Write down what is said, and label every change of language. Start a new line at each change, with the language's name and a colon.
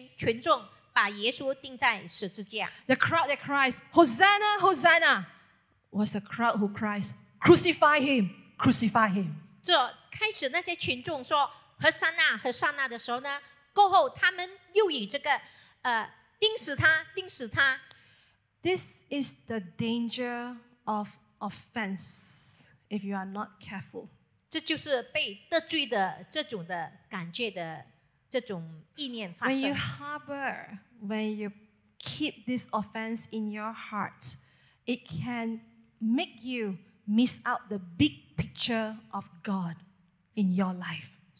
Chinese: 是同一种同样的这些群众呢，欢迎耶稣，也是同样的群众把耶稣钉在十字架。
English: The crowd that cries, "Hosanna, Hosanna!" was a crowd who cries, "Crucify him, crucify him."
Chinese: 这开始那些群众说 "Hosanna, Hosanna" 的时候呢，过后他们又以这个钉死他，钉死他。
English: This is the danger of offense if you are not careful.
Chinese: 这就是被得罪的这种的感觉的这种意念发生。
English: When you harbor, when you keep this offense in your heart, it can make you miss out the big picture of God in your life.